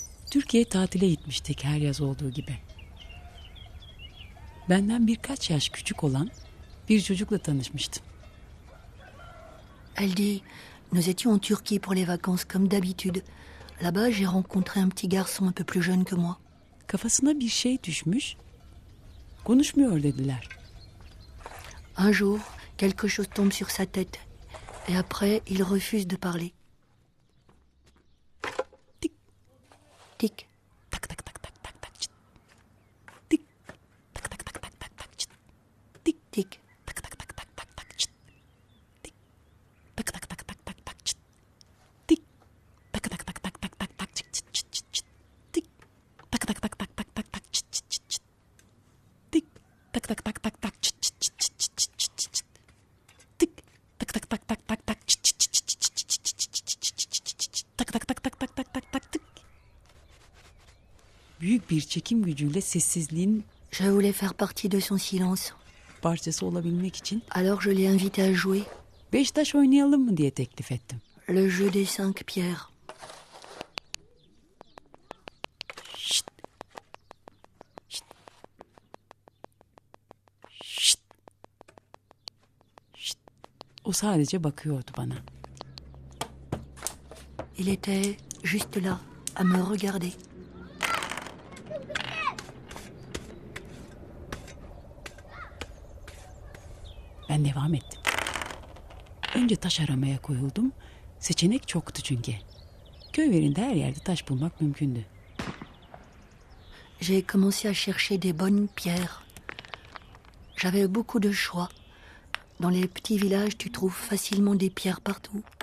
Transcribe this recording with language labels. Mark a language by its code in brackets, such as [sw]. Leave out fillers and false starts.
[tr] Türkiye tatile gitmiştik her yaz olduğu gibi. Benden birkaç yaş küçük olan bir çocukla tanışmıştım. [fr] Elle dit, nous étions en Turquie pour les vacances comme d'habitude. Là-bas, j'ai rencontré un petit garçon un peu plus jeune que moi. [tr] Kafasına bir şey düşmüş. Konuşmuyor dediler. [fr] Un jour, quelque chose tombe sur sa tête et après, il refuse de parler. Tik. Tak tak tak tak tak tak çıt. Tik. Tak tak tak tak tak tak çıt. Tik tik. Tak tak tak tak tak tak çıt. Tik. Tak tak tak tak tak tak çıt. Tik. Tak tak tak tak tak tak tak çıt çıt çıt çıt çıt. Tik. Tak tak tak tak tak tak tak çıt çıt çıt çıt. Tik. Tak tak tak tak tak çıt çıt çıt çıt çıt çıt çıt çıt çıt. Tik. Tak tak tak tak tak tak çıt çıt çıt çıt çıt çıt çıt çıt çıt çıt çıt çıt çıt çıt çıt çıt çıt çıt. Tak tak tak tak tak tak tak tak tik. [tr] Büyük bir çekim gücüyle sessizliğin [fr] je voulais faire partie de son silence. [tr] Parçası olabilmek için. [fr] Alors je l'ai invité à jouer. [tr] Beş taş oynayalım mı diye teklif ettim. [fr] Le jeu des cinq pierres. Şşt. Şşt. Şşt. Şşt. [tr] O sadece bakıyordu bana. [fr] Il était juste là à me regarder. [tr] Ben devam ettim. Önce taş aramaya koyuldum. Seçenek çoktu çünkü. Köylerinde her yerde taş bulmak mümkündü. [fr] J'ai commencé à chercher des bonnes pierres. J'avais beaucoup de choix. Dans les petits villages, tu trouves facilement des pierres partout.